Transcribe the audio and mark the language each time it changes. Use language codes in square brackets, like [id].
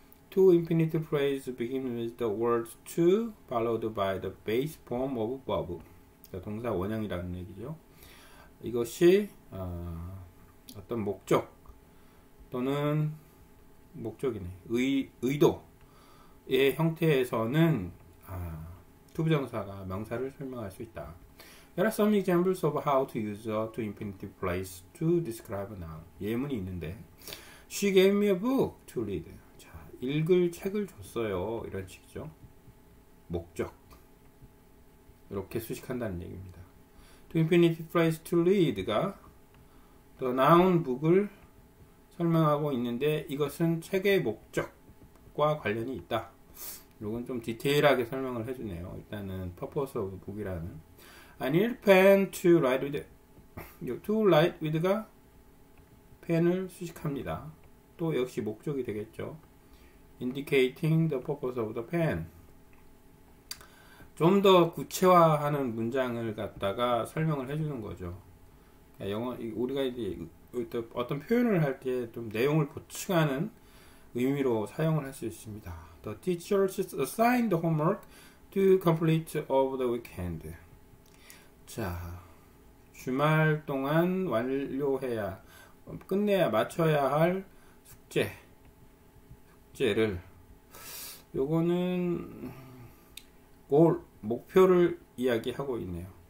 [en] Two infinitive phrase begin with the word to followed by the base form of verb. [ko] 그러니까 동사 원형이라는 얘기죠. 이것이 어떤 목적 또는 목적이네 의도의 형태에서는 투 부정사가 명사를 설명할 수 있다. [en] There are some examples of how to use a two infinitive phrase to describe a noun. [ko] 예문이 있는데, [en] She gave me a book to read. [ko] 자, 읽을 책을 줬어요. 이런 식이죠. 목적. 이렇게 수식한다는 얘기입니다. [en] Two infinitive phrase to read가 the noun book을 [ko] 설명하고 있는데 이것은 책의 목적과 관련이 있다. 이건 좀 디테일하게 설명을 해주네요. [en] 일단은 purpose of book이라는. I need a pen to write with. [ko] To write with가 펜을 수식합니다. 또 역시 목적이 되겠죠. [en] Indicating the purpose of the pen. [ko] 좀더 구체화하는 문장을 갖다가 설명을 해주는 거죠. 영어 우리가 이제 어떤 표현을 할때좀 내용을 보충하는 의미로 사용을 할수 있습니다. [en] The teachers assigned the homework to complete over the weekend. [ko] 자, 주말 동안 완료해야, 끝내야, 맞춰야 할 숙제를, 요거는, 골, 목표를 이야기하고 있네요.